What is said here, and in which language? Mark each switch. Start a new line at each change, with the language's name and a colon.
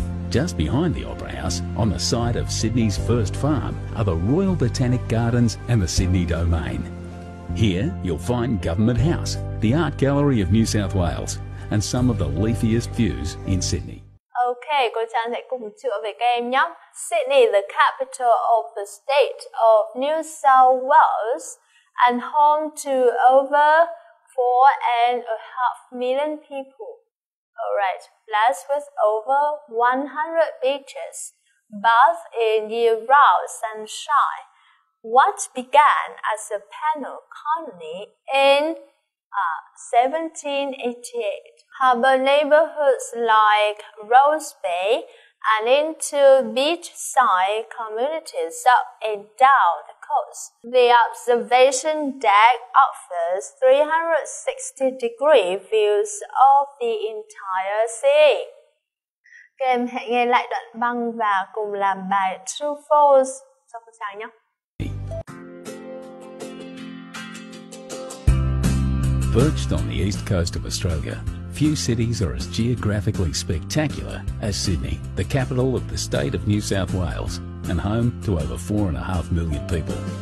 English: Just behind the Opera House, on the site of Sydney's first farm, are the Royal Botanic Gardens and the Sydney Domain. Here, you'll find Government House, the Art Gallery of New South Wales, and some of the leafiest views in Sydney.
Vietnamese: Okay, cô Trang sẽ cùng chữa về các em nhé.
English: Sydney, the capital of the state of New South Wales, and home to over 4.5 million people. All right, blessed with over 100 beaches, bathe in year-round sunshine. What began as a penal colony in 1788? Harbour neighbourhoods like Rose Bay and into beachside communities up and down the coast. The observation deck offers 360-degree views of the entire sea.
Vietnamese: Các em hãy nghe lại đoạn băng và cùng làm bài True False cho cô Trang nhé.
English: Perched on the east coast of Australia, few cities are as geographically spectacular as Sydney, the capital of the state of New South Wales and home to over 4.5 million people.